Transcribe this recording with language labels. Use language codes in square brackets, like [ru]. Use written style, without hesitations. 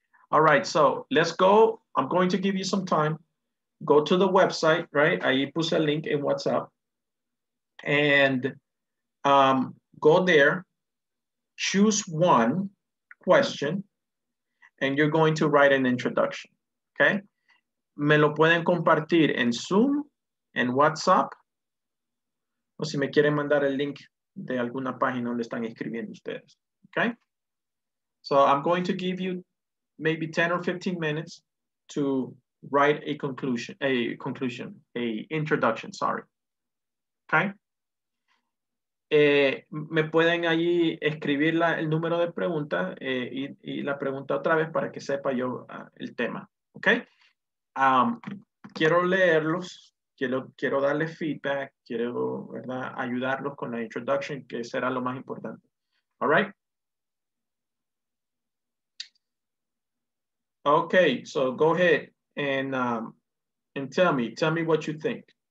[en] All right, so let's go. I'm going to give you some time. Go to the website, right? [es] Ahí puse el link in WhatsApp. [en] And go there, choose one question and you're going to write an introduction. [es] Okay, me lo pueden compartir en Zoom, en WhatsApp, o si me quieren mandar el link de alguna página donde están escribiendo ustedes. Okay, [en] So I'm going to give you maybe 10 or 15 minutes to write a conclusion, a introduction, sorry. Okay? [es] Me pueden allí escribir la, el número de pregunta y la pregunta otra vez para que sepa yo el tema. Okay? Quiero leerlos, quiero darles feedback, quiero, ¿verdad?, ayudarlos con la introduction, que será lo más importante. [en] All right? Okay, so go ahead and tell me what you think.